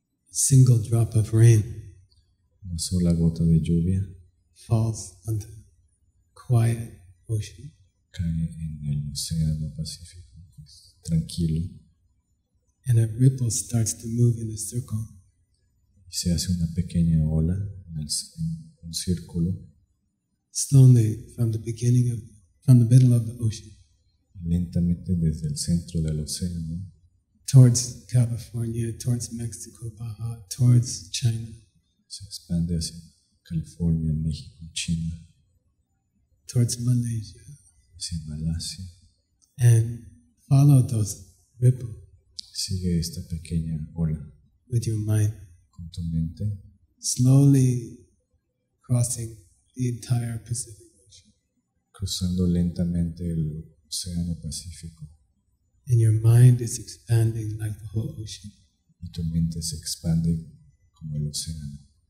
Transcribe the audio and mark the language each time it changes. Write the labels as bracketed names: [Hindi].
[English] A single drop of rain. [Spanish] Una sola gota de lluvia. [English] Falls on the quiet ocean. [Spanish] Cae en el océano Pacífico. Es tranquilo. [English] And a ripple starts to move in a circle. [Spanish] Y se hace una pequeña ola en un círculo. [English] Slowly from the beginning of, from the middle of the ocean. [Spanish] Lentamente desde el centro del océano. [English] Towards California, towards Mexico, Baja, towards China. [Spanish] Se expande hacia California, México, China. [English] Towards Malaysia. [Spanish] Hacia Malasia. [English] And follow those ripples. [Spanish] Sigue esta pequeña ola. [English] With your mind. [Spanish] Con tu mente. [English] Slowly crossing the entire Pacific Ocean. [Spanish] Cruzando lentamente el océano Pacífico. [English] And your mind is expanding like the whole ocean. [Spanish] Y tu mente se expande como el océano.